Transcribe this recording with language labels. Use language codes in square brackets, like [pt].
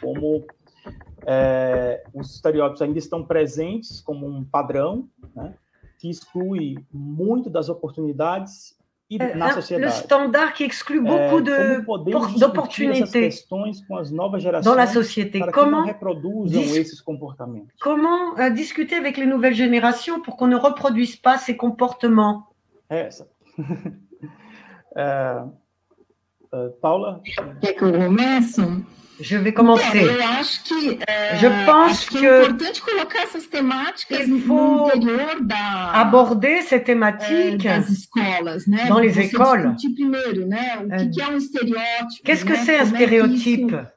[pt] Como os estereótipos ainda estão presentes como um padrão, né, que exclui muito das oportunidades e na sociedade. [fr] Le standard qui exclut beaucoup de d'opportunités. [pt] Essas questões com as novas gerações. Para que não reproduzam esses comportamentos. [fr] Comment discuter avec les nouvelles générations pour qu'on ne reproduise pas ces comportements? [pt] Essa. Paula, quer que eu comece? [fr] Je vais commencer. [pt] Eu acho que, é importante colocar essas temáticas no interior da [fr] aborder ces thématiques [pt] das escolas, né? [fr] Dans les écoles. [pt] Discutir primeiro, né? O que é um estereótipo? [fr] Qu'est-ce que c'est un stéréotype?